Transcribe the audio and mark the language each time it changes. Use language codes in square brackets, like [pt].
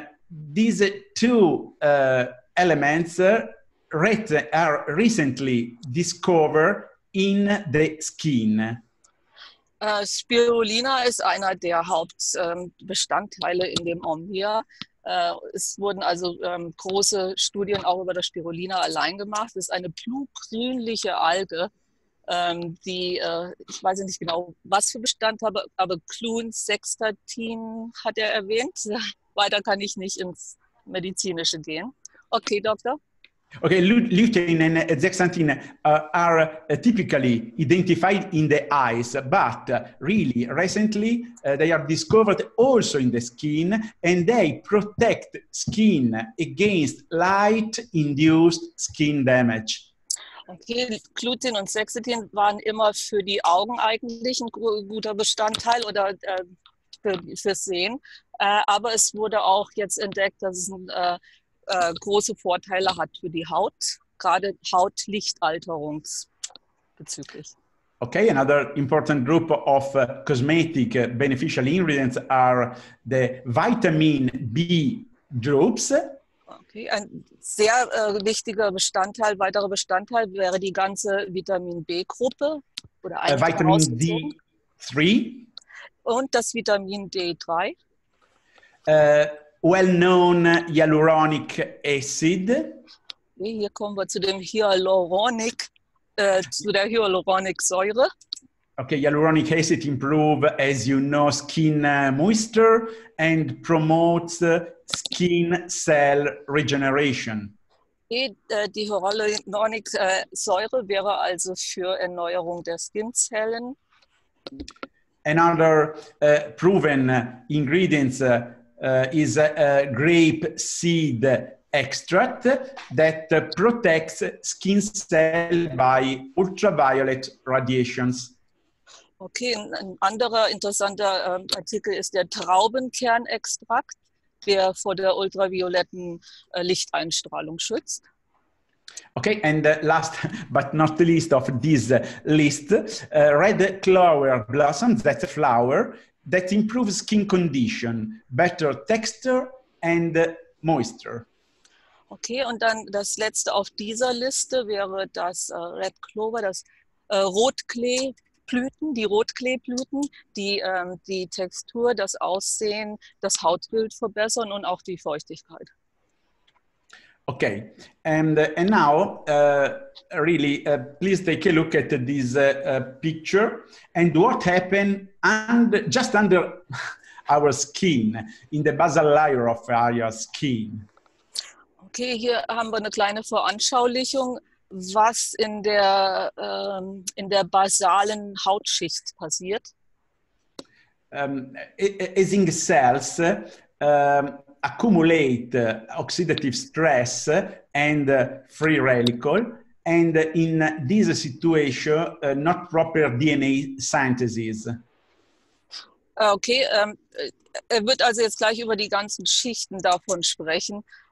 [en] These two elements are recently discovered in the skin. [de] Spirulina ist einer der Hauptbestandteile in dem Omnia. Es wurden also große Studien auch über das Spirulina allein gemacht. Es ist eine blugrünliche Alge, die, ich weiß nicht genau, was für Bestand habe, aber Clun Sextatin hat er erwähnt. Weiter kann ich nicht ins Medizinische gehen. Okay, Doktor. [en] Okay, lutein and zeaxanthin are typically identified in the eyes, but really recently they are discovered also in the skin, and they protect skin against light-induced skin damage. [de] Okay, Lutein und Zeaxanthin waren immer für die Augen eigentlich ein guter Bestandteil oder fürs Sehen, aber es wurde auch jetzt entdeckt, dass es ein große Vorteile hat für die Haut, gerade Hautlichtalterungsbezüglich. [en] Okay, another important group of cosmetic beneficial ingredients are the vitamin B drops. [de] Okay, ein sehr wichtiger Bestandteil, weiterer Bestandteil wäre die ganze Vitamin B-Gruppe oder eigentlich Vitamin herausgezogen. D3 und das Vitamin D3. [en] Well-known hyaluronic acid. [de] Hier kommen wir zu dem Hyaluronic, zu der Hyaluronicsäure. [en] Okay, hyaluronic acid improves, as you know, skin moisture and promotes skin cell regeneration. [de] Die Hyaluronicsäure wäre also für Erneuerung der Skinzellen. [en] Another proven ingredient. Is a grape seed extract that protects skin cell by ultraviolet radiations. [de] Okay, ein anderer interessanter Artikel ist der Traubenkernextrakt, der vor der ultravioletten Lichteinstrahlung schützt. [en] Okay, and last but not the least of this list, red clover blossoms, that's a flower, that improves skin condition, better texture and moisture. [de] Okay, und dann das letzte auf dieser Liste wäre das Red Clover, das Rotklee, Blüten, die Rotkleeblüten, die die Textur, das Aussehen, das Hautbild verbessern und auch die Feuchtigkeit. [en] Okay, and now, really, please take a look at this picture and what happened just under our skin, in the basal layer of our skin. [de] Okay, hier haben wir eine kleine Veranschaulichung, was in der basalen Hautschicht passiert. [en] Aging cells accumulate oxidative stress and free radical, and in this situation, not proper DNA synthesis. [de] Okay, er wird also jetzt gleich über die ganzen Schichten davon sprechen.